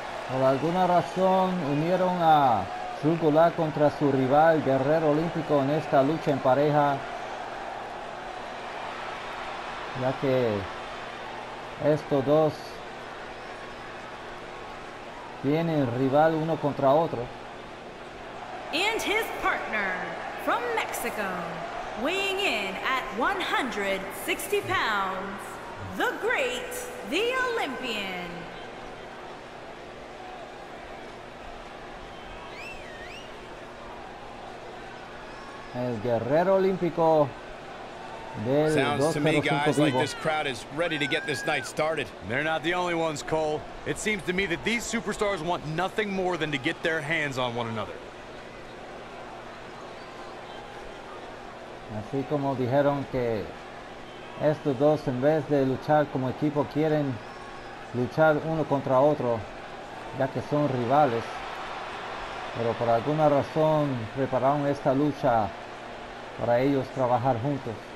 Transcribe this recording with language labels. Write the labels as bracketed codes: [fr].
[es] Por alguna razón unieron a Drew Gulak contra su rival Guerrero Olímpico en esta lucha en pareja, ya que estos dos tienen rival uno contra otro. [en] And his partner from Mexico, weighing in at 160 pounds, the great, the Olympian. [es] El Guerrero Olímpico del [en] Sounds to me, guys, [es] vivo. [en] Like this crowd is ready to get this night started. They're not the only ones, Cole. It seems to me that these superstars want nothing more than to get their hands on one another. [es] Así como dijeron que estos dos, en vez de luchar como equipo, quieren luchar uno contra otro, ya que son rivales. Pero por alguna razón prepararon esta lucha para ellos trabajar juntos.